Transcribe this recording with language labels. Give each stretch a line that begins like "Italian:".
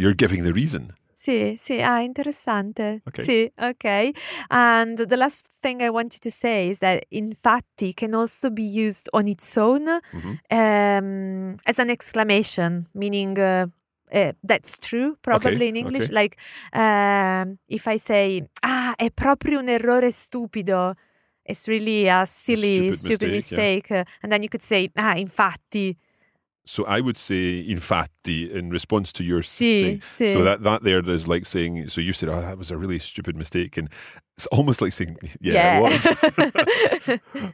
English: You're giving the reason.
Italian: Sì, sì, interessante.
English: Okay.
Italian: Sì, okay.
English: And the last thing I wanted to say is that infatti can also be used on its own as an exclamation, meaning that's true, probably okay, in English. Okay. Like if I say,
Italian: ah, è proprio un errore stupido.
English: It's really a stupid mistake. Yeah. And then you could say, ah, infatti. So I would say, infatti, in response to your
Italian: sì, Sì.
English: So that there is like saying, so you said, oh, that was a really stupid mistake. And It's almost like saying, yeah, it was.